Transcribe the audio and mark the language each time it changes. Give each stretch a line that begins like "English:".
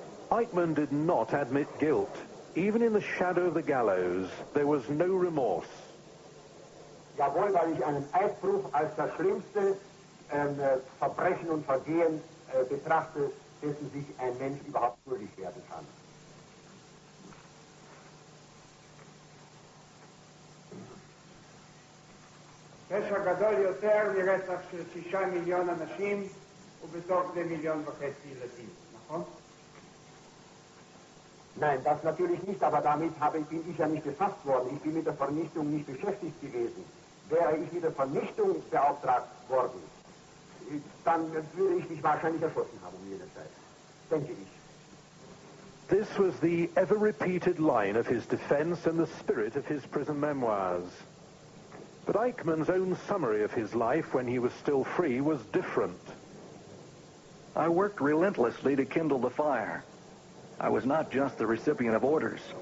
English: Eichmann did not admit guilt. Even in the shadow of the gallows, there was no remorse.
German: Jawohl, weil ich einen Eidbruch als das schlimmste Verbrechen und Vergehen betrachte, dessen sich ein Mensch überhaupt schuldig werden kann.
Hebrew: פשע גדול יותר מרצח של 6 מיליון אנשים ובתוך זה 1.5 מיליון ילדים, נכון?
German: Nein, das natürlich nicht, aber damit bin ich ja nicht befasst worden. Ich bin mit der Vernichtung nicht beschäftigt gewesen. Wäre ich mit der Vernichtung beauftragt worden, dann würde ich mich wahrscheinlich erschossen haben, um jede Zeit. Denke ich.
English: This was the ever-repeated line of his defense and the spirit of his prison memoirs. But Eichmann's own summary of his life when he was still free was different. I worked relentlessly to kindle the fire. I was not just the recipient of orders.